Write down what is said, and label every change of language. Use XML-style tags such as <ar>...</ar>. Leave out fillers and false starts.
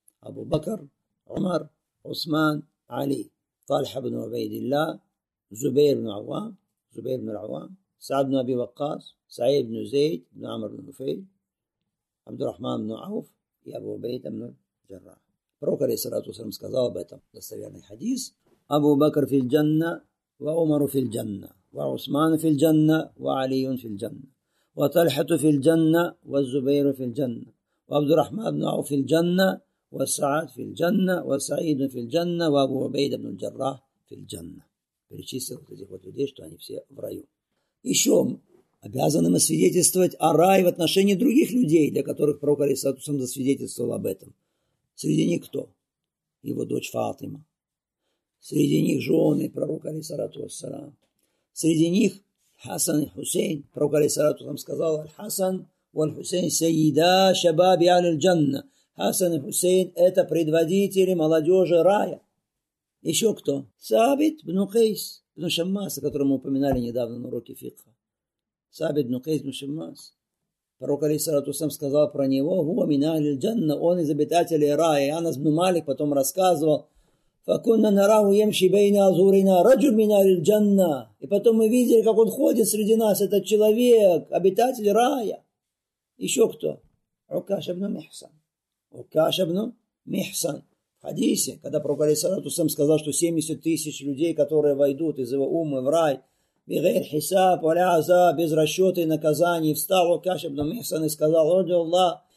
<ru>Абу Бакр, Умар, Усман, Али, Талха ибн Убейдилла, Зубейр ибн Авам, Саад ибн Аби Ваккас, Саид ибн Зейд, ибн Амр ибн Нуфейл, Абдурахман ибн Ауф и Абу Убейда ибн Джарра. Пророк, алейхиссалату вассалям, сказал об этом достоверный хадис.</ru> <ar>Абу Бакр фил Джанна, ва Умару фил Джанна. وعثمان في الجنة وعلي في الجنة وطلحة في الجنة والزبير في الجنة وعبد الرحمن بن عوف في الجنة وسعد في الجنة وسعيد في الجنة وأبو عبيدة بن الجراح في الجنة.</ar> <ru>Перечислил вот этих вот людей, что они все в раю. Еще обязаны мы свидетельствовать о рае в отношении других людей, для которых пророк алейхиссалату вассалям засвидетельствовал об этом. Среди них кто? Его дочь Фатима. Среди них жены пророка алейхиссалату вассалям. Среди них Хасан и Хусейн. Пророк алейхиссалату вассалям сказал: «Хасан и Хусейн</ru> <ar>сайида шабаби аль джанна».</ar> <ru>Хасан и Хусейн — это предводители молодежи рая. Еще кто? Сабит ибн Кейс ибн Шаммас, о котором мы упоминали недавно на уроке фикха. Сабит ибн Кейс ибн Шаммас. Пророк алейхиссалату вассалям сказал про него:</ru> <ar>«Хуа мин аль джанна».</ar> <ru>Он из обитателей рая. Анас ибн Малик потом рассказывал:</ru> <ar>فَكُنَّ نَرَاهُ يَمْشِي بَيْنَ أَزْهُرِنَا رَجُلٌ مِنَ أَهْلِ الْجَنَّةِ.</ar> <ru>И потом мы видели, как он ходит среди нас, этот человек, обитатель рая. Еще кто? Укаш ибн Михсан. Укаш ибн Михсан. В хадисе, когда пророк алейхиссалату вассалям сказал, что 70 тысяч людей, которые войдут из его уммы в рай,</ru> <ar>بِغَيْرِ حِسَابٍ وَلَا عَذَابٍ,</ar> <ru>без расчета и наказаний, встал Укаш ибн Михсан и сказал: «Радио Аллах».</ru>